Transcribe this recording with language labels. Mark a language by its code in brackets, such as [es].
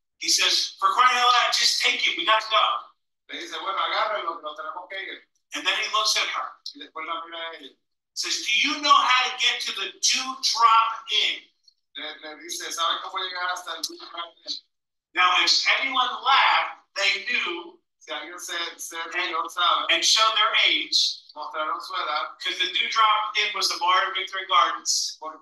[en] He says, for crying out loud, just take it, we got to go. [es] Le dice, bueno, agárrenlo, pero tenemos que ir. [en] And then he looks at her. [es] Y después la mira a ella. [en] Says, do you know how to get to the dew drop inn? [es] Le dice, ¿sabe cómo llegar hasta el dew drop inn? [en] Now, if anyone laughed, they knew. And showed their age, because the Dewdrop Inn was a bar in Victory Gardens.